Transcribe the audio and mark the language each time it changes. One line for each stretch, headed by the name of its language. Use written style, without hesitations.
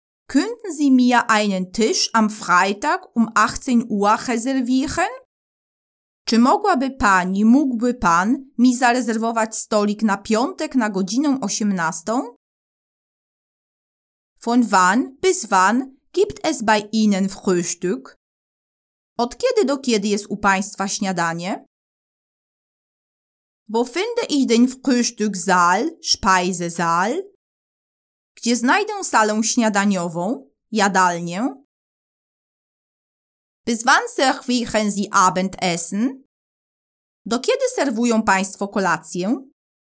German: Könnten Sie mir einen Tisch am Freitag 18 Uhr reservieren?
Polish: Czy mógłby pan mi zarezerwować stolik na piątek na godzinę 18?
German: Von wann bis wann gibt es bei Ihnen Frühstück?
Polish: Od kiedy do kiedy jest u Państwa śniadanie?
German: Wo finde ich den Frühstückssaal, Speisesaal?
Polish: Gdzie znajdę salę śniadaniową, jadalnię?
German: Bis wann servieren Sie Abendessen?
Polish: Do kiedy serwują Państwo kolację?